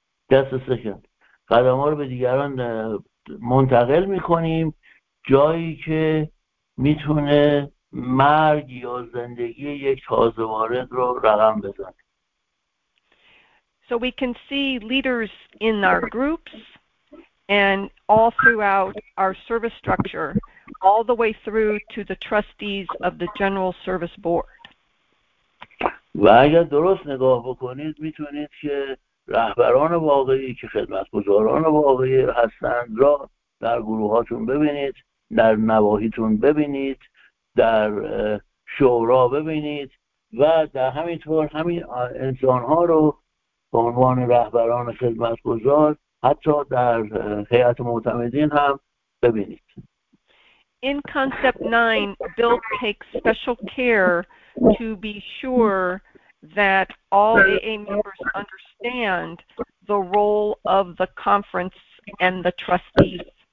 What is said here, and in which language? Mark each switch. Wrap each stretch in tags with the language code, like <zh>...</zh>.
<fa>دست سکن قدم ها رو به دیگران منتقل میکنیم جایی که میتونه مرگ یا زندگی یک تازه وارد رو رقم بزنه.</fa> <en>So we can see leaders in our groups and all throughout our service structure, all the way through to the trustees of the General Service Board.</en> <fa>و اگر درست نگاه بکنید میتونید که رهبران واقعی که خدمتگزاران واقعی هستند را در گروهاتون ببینید، در نواحیتون ببینید، در شورا ببینید و در همینطور همین انسانها رو به عنوان رهبران خدمتگزار حتی در هیئت معتمدین هم ببینید.</fa> <en>In concept 9, Bill takes special care to be sure that all AA members understand the role of the conference and the trustees.</en>